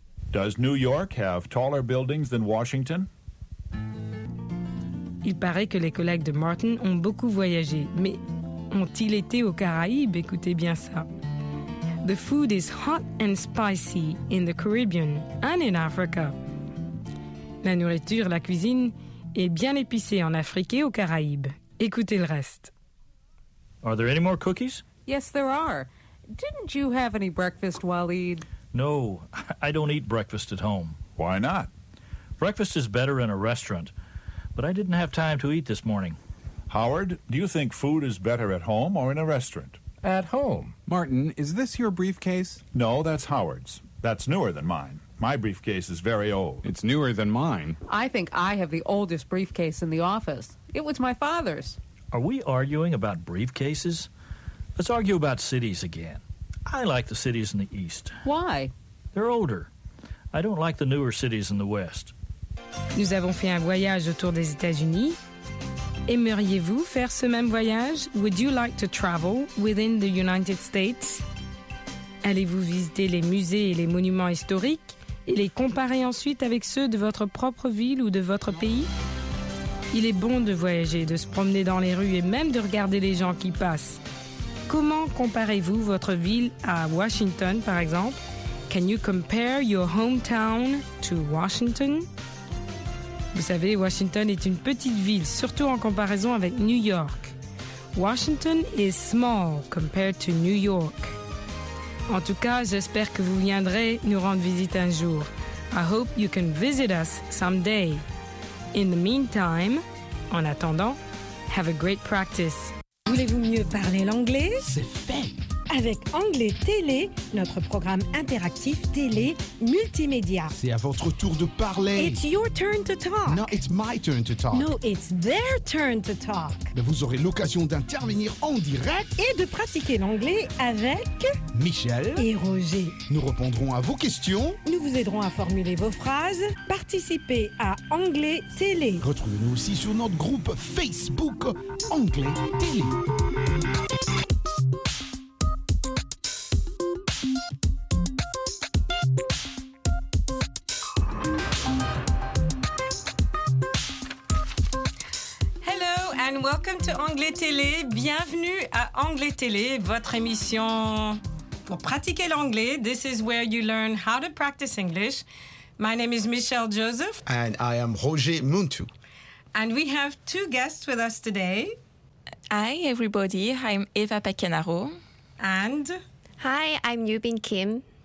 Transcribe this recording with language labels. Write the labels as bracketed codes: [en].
[en] Does New York have taller buildings than Washington? [fr] Il paraît que les collègues de Martin ont beaucoup voyagé, mais ont-ils été aux Caraïbes? Écoutez bien ça. [en] The food is hot and spicy in the Caribbean and in Africa. [fr] La nourriture, la cuisine est bien épicée en Afrique et aux Caraïbes. Écoutez le reste. [en] Are there any more cookies? Yes, there are. Didn't you have any breakfast, Waleed? No, I don't eat breakfast at home. Why not? Breakfast is better in a restaurant, but I didn't have time to eat this morning. Howard, do you think food is better at home or in a restaurant? At home. Martin, is this your briefcase? No, that's Howard's. That's newer than mine. My briefcase is very old. It's newer than mine. I think I have the oldest briefcase in the office. It was my father's. Are we arguing about briefcases? Let's argue about cities again. I like the cities in the east. Why? They're older. I don't like the newer cities in the west. [fr] Nous avons fait un voyage autour des États-Unis. Aimeriez-vous faire ce même voyage? [en] Would you like to travel within the United States? [fr] Allez-vous visiter les musées et les monuments historiques et les comparer ensuite avec ceux de votre propre ville ou de votre pays? Il est bon de voyager, de se promener dans les rues et même de regarder les gens qui passent. Comment comparez-vous votre ville à Washington, par exemple? [en] Can you compare your hometown to Washington? [fr] Vous savez, Washington est une petite ville, surtout en comparaison avec New York. [en] Washington is small compared to New York. [fr] En tout cas, j'espère que vous viendrez nous rendre visite un jour. [en] I hope you can visit us someday. In the meantime, [fr] en attendant, [en] have a great practice. [fr] Voulez-vous mieux parler l'anglais? C'est fait! Avec Anglais Télé, notre programme interactif télé multimédia. C'est à votre tour de parler. [en] It's your turn to talk. No, it's my turn to talk. No, it's their turn to talk. [fr] Mais vous aurez l'occasion d'intervenir en direct. Et de pratiquer l'anglais avec... Michel. Et Roger. Nous répondrons à vos questions. Nous vous aiderons à formuler vos phrases. Participez à Anglais Télé. Retrouvez-nous aussi sur notre groupe Facebook Anglais Télé. [en] Welcome to Anglais Télé. [fr] Bienvenue à Anglais Télé, votre émission pour pratiquer l'anglais. [en] This is where you learn how to practice English. My name is Michelle Joseph. And I am Roger Muntu. And we have two guests with us today. Hi, everybody. I'm Eva Pacchianaro. And? Hi, I'm Yubin Kim.